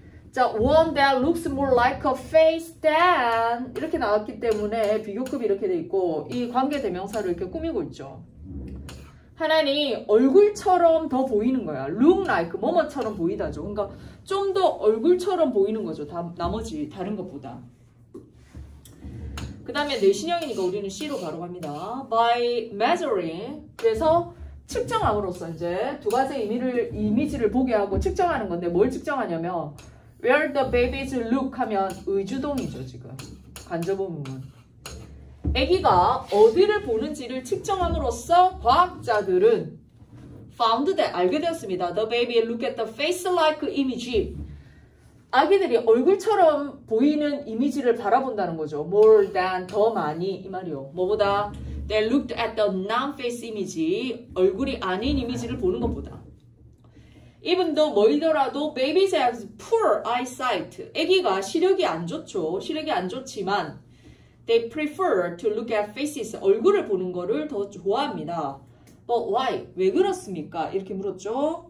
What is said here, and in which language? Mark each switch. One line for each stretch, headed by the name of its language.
Korean: 자,
English: one that looks more like a face than.
Korean: 이렇게 나왔기 때문에 비교급이 이렇게 돼 있고 이 관계 대명사를 이렇게 꾸미고 있죠. 하나니 얼굴처럼 더 보이는 거야. Look like, 뭐뭐처럼 보이다죠. 그러니까 좀 더 얼굴처럼 보이는 거죠. 나머지 다른 것보다. 그 다음에 내신형이니까 우리는 C로 바로 갑니다.
English: By measuring.
Korean: 그래서 측정함으로써 이제 두 가지 이미지를 보게 하고 측정하는 건데 뭘 측정하냐면
English: Where the babies look
Korean: 하면 의주동이죠. 지금 관접어문은. 아기가 어디를 보는지를 측정함으로써 과학자들은
English: found that
Korean: 알게 되었습니다.
English: The baby look at the face-like image.
Korean: 아기들이 얼굴처럼 보이는 이미지를 바라본다는 거죠.
English: More than
Korean: 더 많이 이 말이요. 뭐보다
English: they looked at the non-face image.
Korean: 얼굴이 아닌 이미지를 보는 것보다.
English: Even though
Korean: 멀더라도
English: babies have poor eyesight.
Korean: 아기가 시력이 안 좋죠. 시력이 안 좋지만
English: They prefer to look at faces.
Korean: 얼굴을 보는 거를 더 좋아합니다.
English: But why?
Korean: 왜 그렇습니까? 이렇게 물었죠.